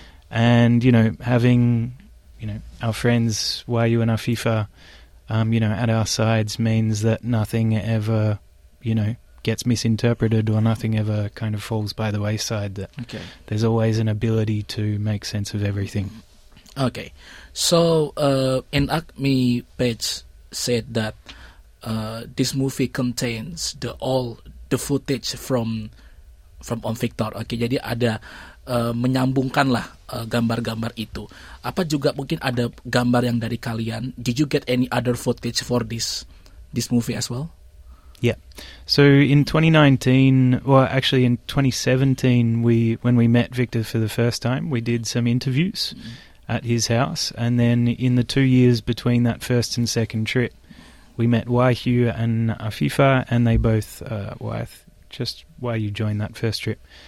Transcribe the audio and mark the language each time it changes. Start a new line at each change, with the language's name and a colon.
English: And, you know, having, you know, our friends Wayu and Afifa, you know, at our sides means that nothing ever, you know, gets misinterpreted or nothing ever kind of falls by the wayside, that there's always an ability to make sense of everything. Okay, so in Acme Page said that this movie contains all the footage from Om Victor.
Indonesian: Okay, jadi ada menyambungkan lah gambar-gambar itu. Apa juga mungkin ada gambar yang dari kalian?
English: Did you get any other footage for this movie as well? Yeah. So in 2019, well, actually in 2017, when we met Victor for the first time, we did some interviews at his house. And then in the 2 years between that first and second trip, we met Waihu and Afifa, and they both, Waihu joined that first trip.